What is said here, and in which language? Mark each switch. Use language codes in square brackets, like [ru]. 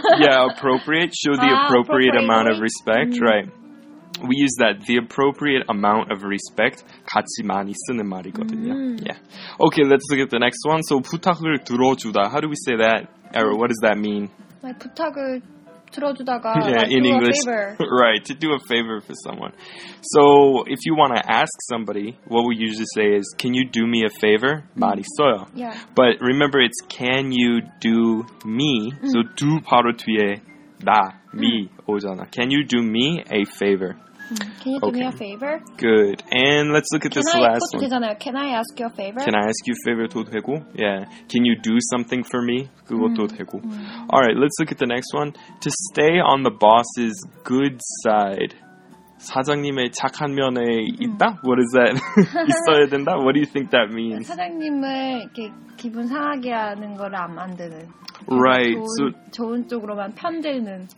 [en] Yeah, appropriate. Show the appropriate amount of respect, right? We use that the appropriate amount of respect [ko] 같이 많이 쓰는 말이거든요. [en] Yeah. Okay, let's look at the next one. So [ko] 부탁을 들어주다. [en] How do we say that? Or what does that mean? My 부탁을 들어주다가 yeah, like in English. A favor. Right, to do a favor for someone. So, if you want to ask somebody, what we usually say is, can you do me a favor? [ko] 많이 써요. [en] Yeah. But remember, it's can you do me? [ko] So, 두 바로 뒤에 나, 미 오잖아. [en] Can you do me a favor? Can you do me a favor? Good. And let's look at this last one. Can I ask you a favor? Can I ask you a favor도 되고? Yeah. Can you do something for me? [ko] 그것도 되고. [en] All right. Let's look at the next one. To stay on the boss's good side. [ko] 사장님의 착한 면에 있다? [en] What is that? [ko] 있어야 된다? [en] What do you think that means? [ko] 사장님을 이렇게 기분 상하게 하는 걸 안 만드는. [en] Right. [ko] 좋은, so, 좋은 쪽으로만 편드는.